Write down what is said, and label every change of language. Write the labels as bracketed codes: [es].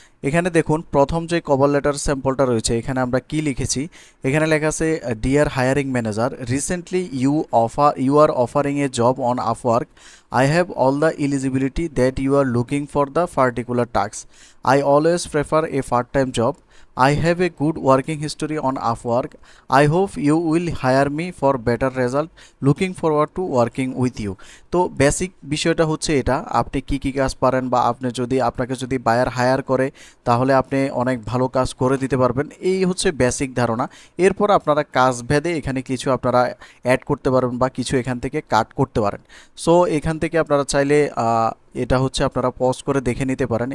[bn] এখানে দেখুন প্রথম যে কভার লেটার স্যাম্পলটা রয়েছে এখানে আমরা কি লিখেছি, এখানে লেখা আছে [en] Dear hiring manager, recently you are offering a job on Upwork. I have all the eligibility that you are looking for the particular task. I always prefer a part time job. I have a good working history on Upwork. I hope you will hire me for better result. Looking forward to working with you. [bn] তো basic বিষয়টা হচ্ছে এটা, আপনি কী কী কাজ পারেন বা আপনি যদি আপনাকে যদি বায়ার হায়ার করে তাহলে আপনি অনেক ভালো কাজ করে দিতে পারবেন, এই হচ্ছে বেসিক ধারণা। এরপর আপনারা কাজ ভেদে এখানে কিছু আপনারা অ্যাড করতে পারবেন বা কিছু এখান থেকে কাট করতে পারেন। সো এখান থেকে আপনারা চাইলে এটা হচ্ছে আপনারা পজ করে দেখে নিতে পারেন।